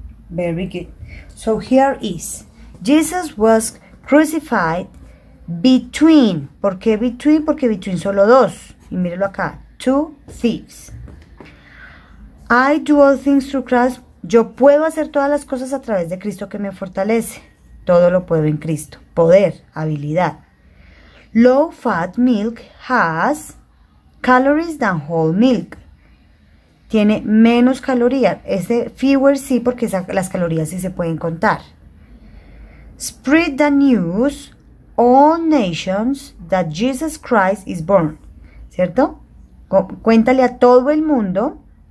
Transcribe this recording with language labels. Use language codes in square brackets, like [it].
[en] Very good. So here is Jesus was crucified. [es] Between, ¿por qué between? Porque between solo dos. Y mírelo acá, [en] two thieves. I do all things through Christ. [es] Yo puedo hacer todas las cosas a través de Cristo que me fortalece. Todo lo puedo en Cristo. Poder, habilidad. [en] Low fat milk has calories than whole milk. [es] Tiene menos calorías. Ese fewer sí, porque las calorías sí se pueden contar. [en] Spread the news. All nations that Jesus Christ is born. [es] ¿Cierto? Cuéntale a todo el mundo.